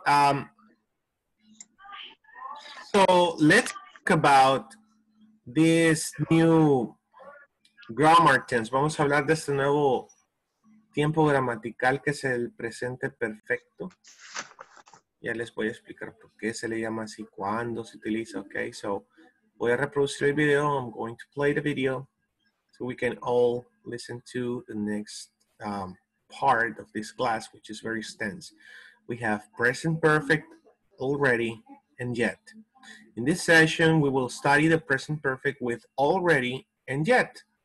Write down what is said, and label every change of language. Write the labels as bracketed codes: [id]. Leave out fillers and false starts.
[en] So let's talk about this new grammar tense. [es] Vamos a hablar de este nuevo tiempo gramatical que es el presente perfecto. Ya les voy a explicar por qué se le llama así, cuándo se utiliza. [en] Okay, so [es] voy a reproducir el video. [en] I'm going to play the video so we can all listen to the next part of this class, which is very extensive. We have present perfect already and yet. In this session, we will study the present perfect with already and yet.